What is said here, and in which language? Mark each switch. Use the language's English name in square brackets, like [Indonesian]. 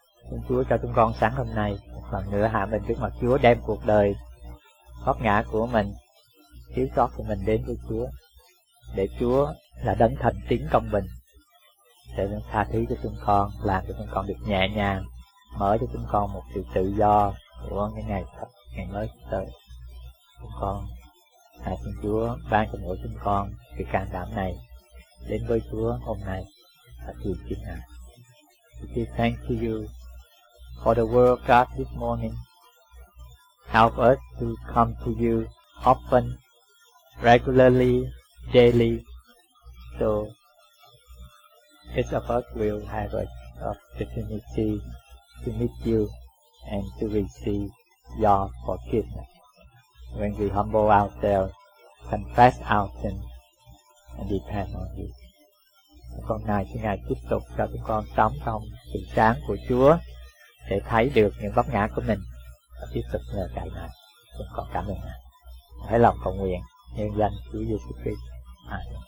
[Vietnamese] Xin Chúa cho chúng con sáng hôm nay một lần nữa hạ mình trước mặt Chúa, đem cuộc đời vấp ngã của mình, thiếu sót của mình đến với Chúa, để Chúa là đấng thành tín công bình sẽ tha thứ cho chúng con, làm cho chúng con được nhẹ nhàng, mở cho chúng con một sự tự do của những ngày mới tới. Chúng con hãy xin Chúa ban cho mỗi chúng con sự can đảm này đến với Chúa hôm nay và tìm kiếm Ngài. [English] We give thanks to you for the word of God this morning. Help us to come to you often, regularly, daily, so each of us will have an opportunity to meet you and to receive your forgiveness. When we humble ourselves, confess our sins, and depend on you. [Vietnamese] Chúng con nài xin Ngài tiếp tục cho chúng con sống trong sự sáng của Chúa, để thấy được những vấp ngã của mình và tiếp tục nhờ cậy Ngài. Chúng con cảm ơn Ngài. Hãy lòng cầu nguyện nhân danh Chúa Giêsu Christ. Amen.